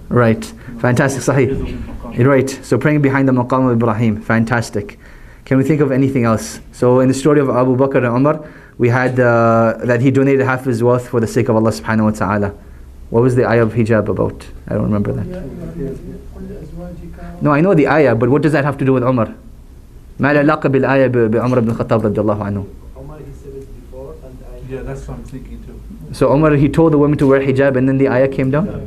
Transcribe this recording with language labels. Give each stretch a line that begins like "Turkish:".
English: Right. Fantastic. Sahih. Right. So praying behind the Maqam of Ibrahim. Fantastic. Can we think of anything else? So in the story of Abu Bakr and Umar, we had that he donated half his wealth for the sake of Allah
Arabic: subhanahu wa ta'ala.
English: What was the ayah of hijab about? I don't remember that. No, I know the ayah, but what does that have to do with Umar?
Arabic: ما العلاقة بالآية بعمر بن الخطاب رضي الله عنه؟
English: Umar, he said it before, and the ayah. Yeah, that's what I'm thinking too. So Umar, he told the women to wear hijab, and then the ayah came down.